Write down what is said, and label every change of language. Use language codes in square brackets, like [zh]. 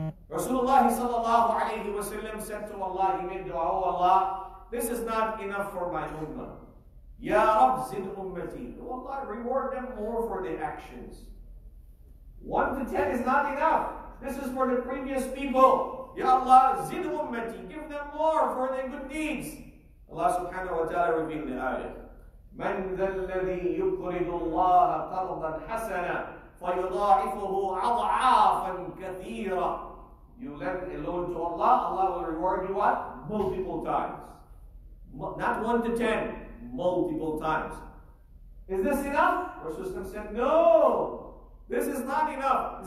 [en] Rasulullah sallallahu alayhi wa sallam said to Allah, he made dua, oh Allah, this is not enough for my ummah. [ar] Ya Rab zid ummati. [en] Oh Allah, reward them more for their actions. 1 to 10 is not enough. This is for the previous people. [ar] Ya Allah, zid ummati. [en] Give them more for their good deeds. Allah subhanahu wa ta'ala revealed the ayah. [ar] من ذا الذي يقرض الله قرضا حسنا فيضاعفه أضعافا كثيرة. [en] You lend a loan to Allah, Allah will reward you what? Multiple times. Not 1 to 10, multiple times. Is this enough? Rasulullah said, no, this is not enough.